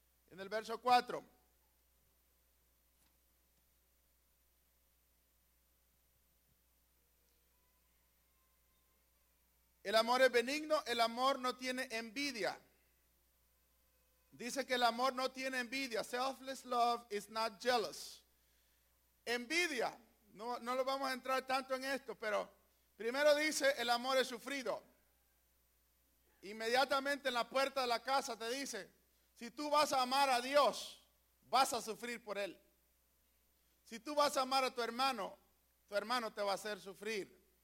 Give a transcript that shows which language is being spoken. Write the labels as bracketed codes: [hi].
[es] En el verso 4. El amor es benigno, el amor no tiene envidia. Dice que el amor no tiene envidia. [en] Selfless love is not jealous. [es] Envidia, no lo vamos a entrar tanto en esto, pero primero dice el amor es sufrido. Inmediatamente en la puerta de la casa te dice, si tú vas a amar a Dios, vas a sufrir por Él. Si tú vas a amar a tu hermano te va a hacer sufrir.